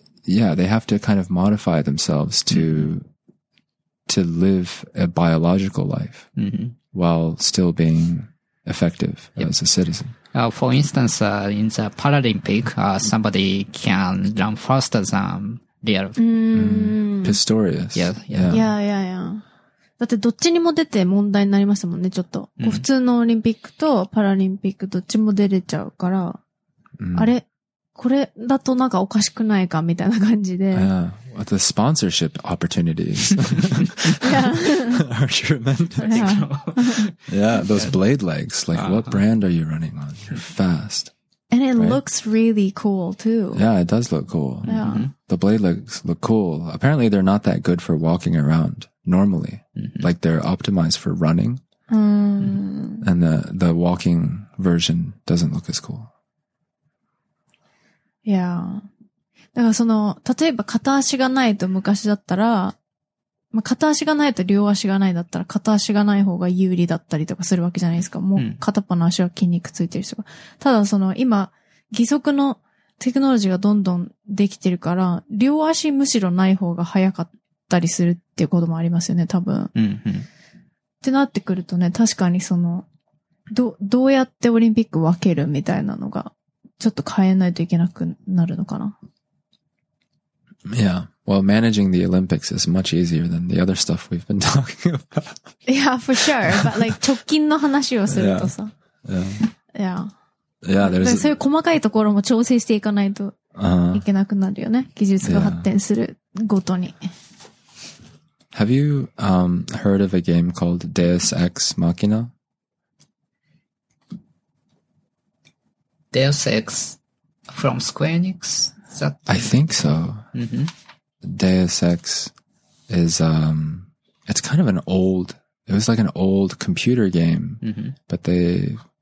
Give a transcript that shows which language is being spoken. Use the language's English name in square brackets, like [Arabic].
[English] Yeah, they have to kind of modify themselves to to live a biological life while still being effective as a citizen. For instance, in the Paralympic, somebody can run faster than real. Pistorius. [Japanese] だってどっちにも出て問題になりますもんね、ちょっと。普通のオリンピックとパラリンピックどっちも出れちゃうから、あれこれだとなんかおかしくないかみたいな感じで。 [English] The sponsorship opportunities. Are you remembering? Yeah, those blade legs. Like, what brand are you running on? You're fast. And it looks really cool, too. Yeah, it does look cool. Yeah. The blade legs look cool. Apparently, they're not that good for walking around normally. Like, they're optimized for running. And the walking version doesn't look as cool. Yeah. [Japanese] だからその、例えば片足がないと昔だったら、まあ、片足がないと両足がないだったら片足がない方が有利だったりとかするわけじゃないですか。もう片っぽの足は筋肉ついてるとか。ただその、今、義足のテクノロジーがどんどんできてるから、両足むしろない方が早かったりするっていうこともありますよね、多分。ってなってくるとね、確かにその、どうやってオリンピック分けるみたいなのが、ちょっと変えないといけなくなるのかな。 [English] Yeah. Well, managing the Olympics is much easier than the other stuff we've been talking about. Yeah, for sure. But like, [Japanese] 直近の話をするとさ。 [English] Yeah. Yeah. Yeah, there's... [Japanese] そういう細かいところも調整していかないといけなくなるよね。技術が発展するごとに。 [English] Have you, heard of a game called Deus Ex Machina? Deus Ex from Square Enix? I think so. Deus Ex is, it's kind of an old, it was like an old computer game, but they,